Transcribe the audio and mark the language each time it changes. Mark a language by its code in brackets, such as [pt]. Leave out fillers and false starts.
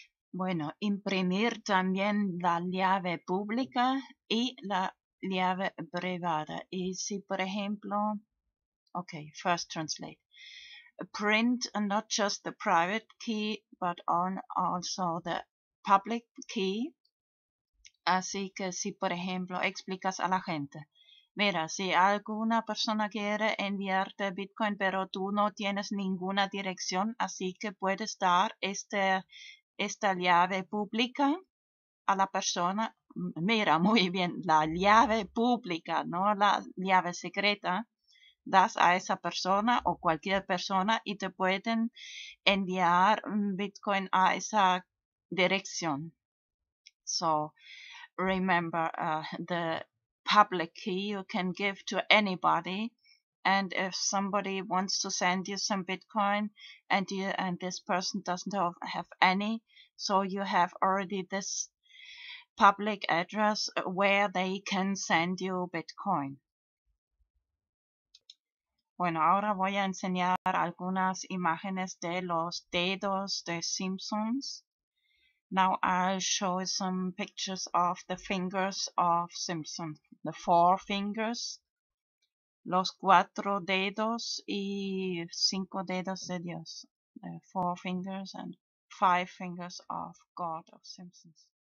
[es] Bueno, imprimir también la llave pública y la llave privada. Y si, por ejemplo, okay, [en] first translate. Print not just the private key, but also the public key. [es] Así que si, por ejemplo, explicas a la gente. Mira, si alguna persona quiere enviarte Bitcoin, pero tú no tienes ninguna dirección, así que puedes dar esta llave pública a la persona. Mira, muy bien, la llave pública, no la llave secreta. Das a esa persona o cualquier persona y te pueden enviar Bitcoin a esa dirección. [en] So, remember, the public key you can give to anybody. And if somebody wants to send you some Bitcoin and this person doesn't have any, so you have already this public address where they can send you Bitcoin. [es] Bueno, ahora voy a enseñar algunas imágenes de los dedos de Simpsons. [en] Now I'll show some pictures of the fingers of Simpsons. The 4 fingers. [es] Los 4 dedos y 5 dedos de Dios. [en] 4 fingers and 5 fingers of God of Simpsons.